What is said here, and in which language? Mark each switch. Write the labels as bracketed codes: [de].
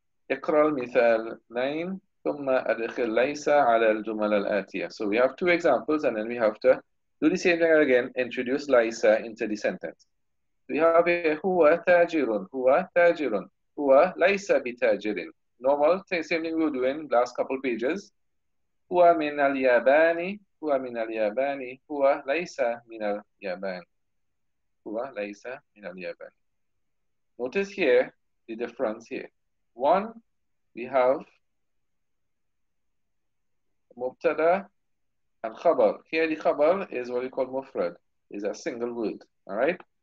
[ar] اقرأ المثال 9 ثم أدخل ليس على الجمل الآتية. [en] So we have two examples and then we have to do the same thing again, introduce ليس into the sentence. We have a [ar] هو تاجر, هو تاجر, هو ليس بتاجر. [en] Normal, same thing we'll do in last couple pages. [ar] هو من الياباني, هو من الياباني, هو ليس من اليابان. هو ليس من اليابان. [en] Notice here the difference here. One, we have Mubtada and Khabar. Here the Khabar is what we call Mufrad, is a single word, all right?